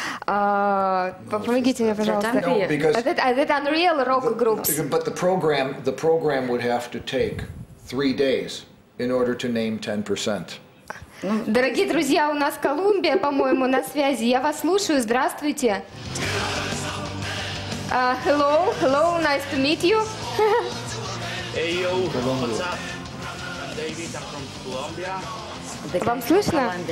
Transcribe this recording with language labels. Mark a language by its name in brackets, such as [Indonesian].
[Russian] Помогите мне, пожалуйста. [English] Is it unreal rock groups? But the program would have to take 3 days in order to name 10%. [Russian] Дорогие друзья, у нас Колумбия, по-моему, на связи. Я вас слушаю. Здравствуйте. [English] Hello, nice to meet you. Hey, yo, what's up? [Russian] Вам слышно?